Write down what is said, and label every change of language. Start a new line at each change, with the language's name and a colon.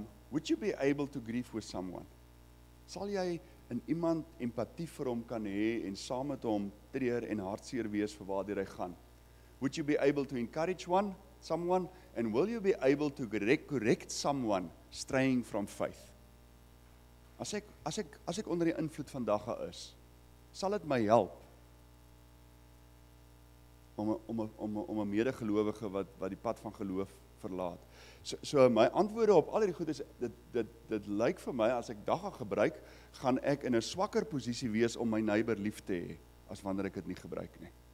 English: Would you be able to grieve with someone?
Afrikaans: Sal jy in iemand empatie vir hom kan hê en saam met hom treur en hartseer wees vir waar hy gaan?
English: Would you be able to encourage someone? And will you be able to correct someone straying from faith?
Afrikaans: As ek onder die invloed van dagga is, sal dit my help om 'n medegelowige wat die pad van geloof verlaat. So my antwoorde op al hierdie goed is, dit lyk vir my, as ek dagga gebruik, gaan ek in 'n swakker posisie wees om my neighbor lief te hê as wanneer ek dit nie gebruik nie.